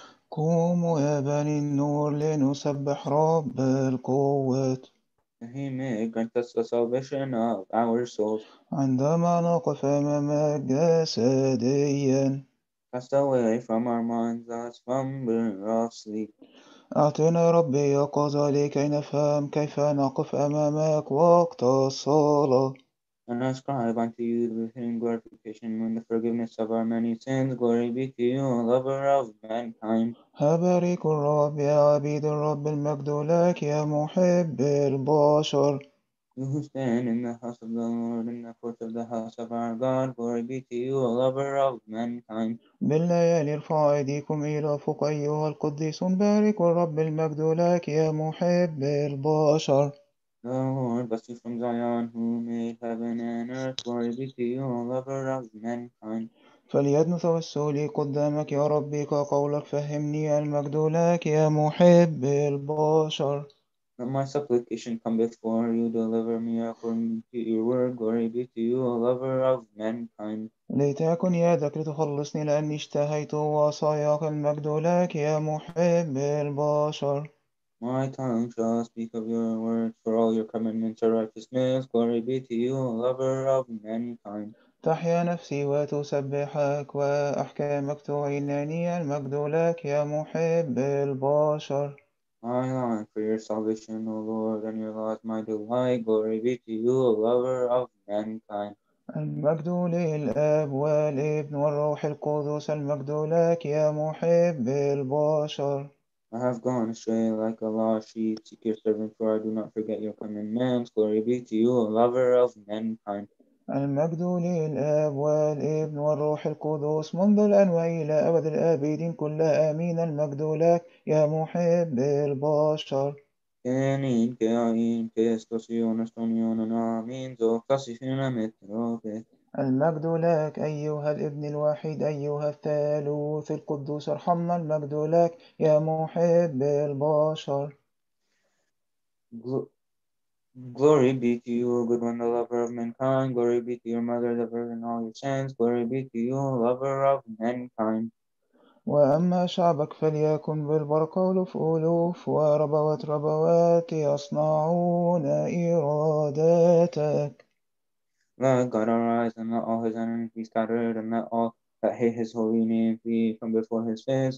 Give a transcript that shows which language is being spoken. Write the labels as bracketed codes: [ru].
[ar] قوموا يا بني النور لنسبح رب القوات. [en] He may grant us the salvation of our souls. [ar] عندما نقف أمامك جسديا. [en] Cast away from our minds as from burning of sleep. [ar] أعطينا ربي يقظة لكي نفهم كيف نقف أمامك وقت الصلاة. [en] And ascribe unto you the hidden glorification and the forgiveness of our many sins. Glory be to you, O lover of mankind. [ar] هباركوا الرب يا عبيد الرب المجد لك يا محب البشر. [en] You who stand in the house of the Lord, in the court of the house of our God. Glory be to you, O lover of mankind. [ar] بالليالي ارفع ايديكم الى فوق ايها القديسون. باركوا الرب المجد لك يا محب البشر. [en] The Lord bless you from Zion, who made heaven and earth. Glory be to you, O lover of mankind. [ar] فليدنو توسلي قدامك يا ربي كقولك فهمني المجد لك يا محب البشر. [en] Let my supplication come before you, deliver me according to your word. Glory be to you, O lover of mankind. [ar] ليتكن يدك لتخلصني لأني اشتهيت وصاياك المجد لك يا محب البشر. [en] My tongue shall speak of your words, for all your commandments are righteousness. Glory be to you, O lover of mankind. [ar] تحيا نفسي وتسبحك وأحكامك تعينني المجد لك يا محب البشر. [en] I long for your salvation, O Lord, and your law is my delight. Glory be to you, O lover of mankind. [ar] المجد للآب والابن والروح القدس المجد لك يا محب البشر. [en] I have gone astray like a lost sheep. Seek your servant, for I do not forget your commandments. Glory be to you, O lover of mankind. [ar] المجد للآب والابن والروح القدوس منذ الآن وإلى أبد الآبدين كلها آمين المجد لك يا محب البشر كائنين كائنين كيستوسيون استونيون نعمين زو قصفين متروبين المجد لك أيها الابن الوحيد أيها الثالوث القدوس ارحمنا المجد لك يا محب البشر [en] Glory be to you, O good one, the lover of mankind. Glory be to your mother, the virgin, all your sins. Glory be to you, lover of mankind. [ar] وأما شعبك فليكن بالبركة ألوف ألوف وربوات ربوات يصنعون إرادتك. [en] Let God arise and let all his enemies be scattered and let all that hate his holy name flee from before his face.